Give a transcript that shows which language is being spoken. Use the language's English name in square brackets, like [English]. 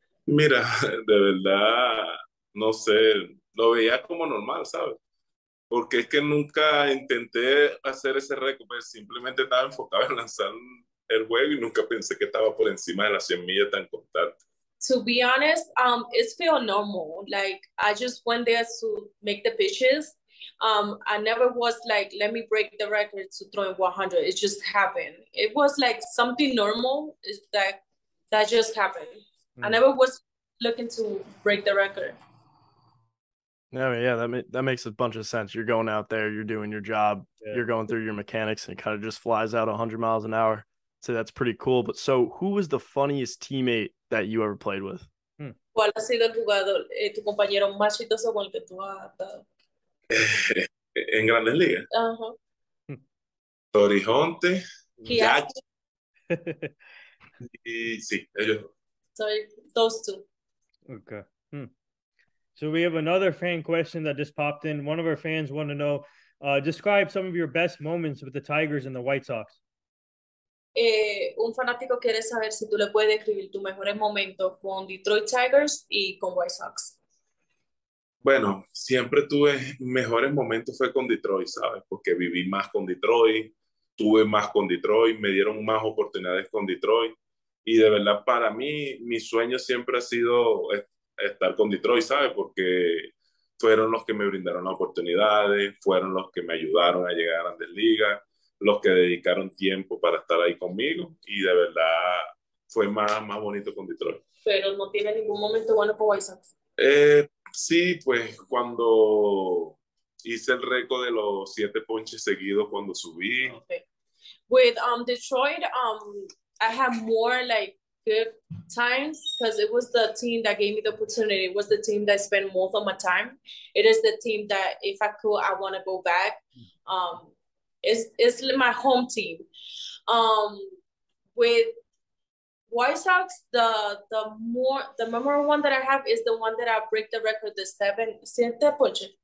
[Spanish] Mira, de verdad, no sé, lo veía como normal, ¿sabes? Porque es que nunca intenté hacer ese récord, pero simplemente estaba enfocado en lanzar el juego y nunca pensé que estaba por encima de las 100 millas tan constante. [English] To be honest, it's feel normal. Like, I just went there to make the pitches. I never was like, let me break the record to throw in 100. It just happened. It was like something normal. It's like, that just happened. I never was looking to break the record. Yeah, that makes a bunch of sense. You're going out there, you're doing your job, you're going through your mechanics, and it kind of just flies out 100 miles an hour. So that's pretty cool. But so who was the funniest teammate that you ever played with? [Spanish] ¿Cuál ha sido el jugador, tu compañero más chistoso con el que tú has dado? En Grandes Ligas. Tori Hunter, Yach, y sí, ellos. [English] Sorry, those two. Okay. So we have another fan question that just popped in. One of our fans want to know, describe some of your best moments with the Tigers and the White Sox. [Spanish] Un fanático quiere saber si tú le puedes describir tu mejores momentos con Detroit Tigers y con White Sox. Bueno, siempre tuve mejores momentos fue con Detroit, ¿sabes? Porque viví más con Detroit, tuve más con Detroit, me dieron más oportunidades con Detroit. Y de verdad, para mí, mi sueño siempre ha sido estar con Detroit, ¿sabes? Porque fueron los que me brindaron oportunidades, fueron los que me ayudaron a llegar a Grandes Ligas, los que dedicaron tiempo para estar ahí conmigo. Y de verdad, fue más bonito con Detroit. Pero no tiene ningún momento bueno con White Sox. Sí, pues cuando hice el récord de los 7 ponches seguidos cuando subí. [English] Okay. With Detroit, I had more like good times because it was the team that gave me the opportunity. It was the team that spent most of my time. It is the team that if I could, I want to go back. It's my home team. With White Sox, the memorable one that I have is the one that I break the record, the 7 ponches.